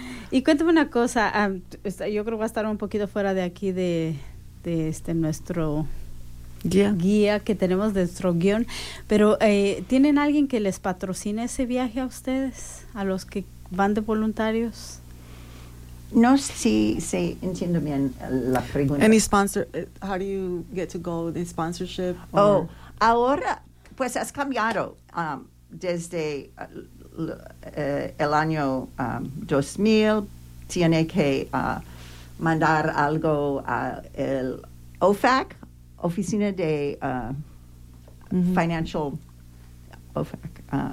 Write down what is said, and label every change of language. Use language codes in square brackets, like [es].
[es] Y cuéntame una cosa, yo creo que va a estar un poquito fuera de aquí de este nuestro guía que tenemos de nuestro guión, pero ¿tienen alguien que les patrocine ese viaje a ustedes, a los que van de voluntarios? No, sí, entiendo bien la pregunta. [en] Any sponsor, how do you get to go with the sponsorship? [es] Oh, ahora, pues has cambiado desde el año 2000. Tiene que mandar algo a el OFAC, Oficina de Financial OFAC.